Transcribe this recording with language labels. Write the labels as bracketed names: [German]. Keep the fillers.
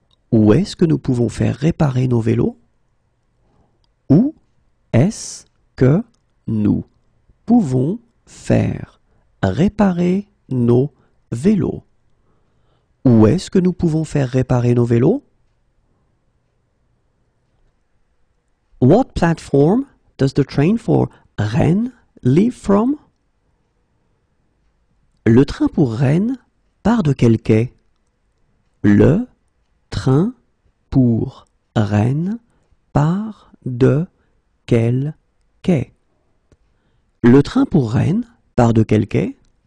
[French] Où est-ce que nous pouvons faire réparer nos vélos? Où est-ce que nous pouvons faire réparer nos vélos? Où est-ce que nous pouvons faire réparer nos vélos? [English] What platform does the train for Rennes leave from? [French] Le train pour Rennes part de quel quai Le train pour Rennes part de quel quai Le train pour Rennes part de quel quai